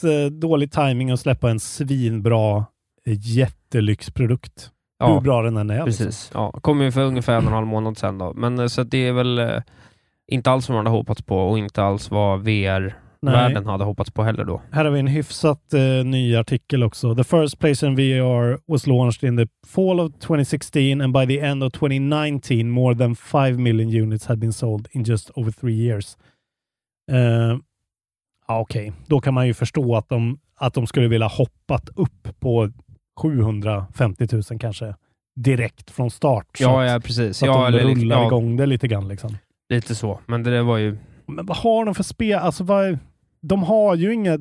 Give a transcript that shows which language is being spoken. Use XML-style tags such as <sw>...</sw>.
<sv>Dålig timing att släppa en svinbra jättelyxprodukt. Ja, hur bra den än är. Precis. Liksom. Ja, kommer ju för ungefär en och en halv månad sedan då. Men så att det är väl inte alls vad man hade hoppats på och inte alls vad VR-världen hade hoppats på heller då. Här har vi en hyfsat ny artikel också.</sv> <en>The first PlayStation VR was launched in the fall of 2016 and by the end of 2019 more than 5 million units had been sold in just over 3 years.</en> <sv>Okej. Okay. Då kan man ju förstå att de skulle vilja hoppat upp på 750 000 kanske direkt från start. Ja, precis. Så att de rullar igång det lite grann liksom. Lite så, men det var ju... Men vad har de för spel? Alltså, de har ju inget...</sv>